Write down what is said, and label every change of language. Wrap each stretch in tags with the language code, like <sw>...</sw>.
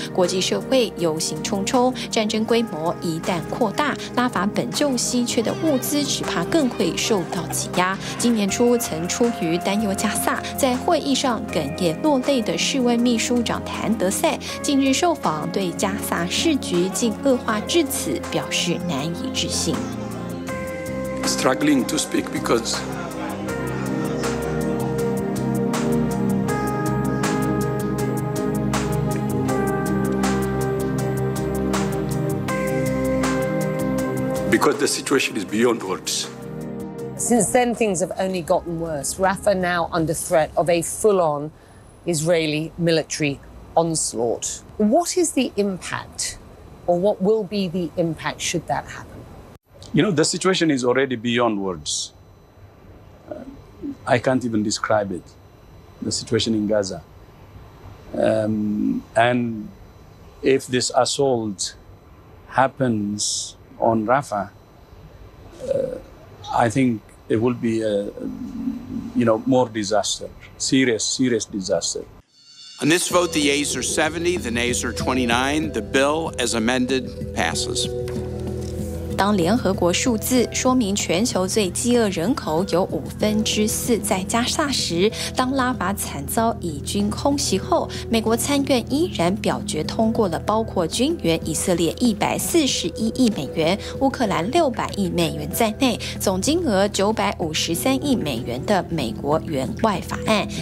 <zh>国际社会忧心忡忡，战争规模一旦扩大，拉法本就稀缺的物资只怕更会受到挤压。今年初曾出于担忧加萨，在会议上哽咽落泪的世卫秘书长谭德赛，近日受访对加萨市局竟恶化至此表示难以置信。</zh> <en>Struggling to speak because the situation is beyond words. Since then, things have only gotten worse. Rafah now under threat of a full-on Israeli military onslaught. What is the impact, or what will be the impact should that happen? You know, the situation is already beyond words. I can't even describe it, the situation in Gaza. And if this assault happens on Rafah, I think it will be, more disaster, serious, serious disaster. On this vote, the yeas are 70, the nays are 29. The bill, as amended, passes.</en> <zh>当联合国数字说明全球最饥饿人口有1/4在加萨时，当拉法惨遭以军空袭后，美国参院依然表决通过了包括军援以色列141亿美元、乌克兰600亿美元在内，总金额953亿美元的美国援外法案。</zh>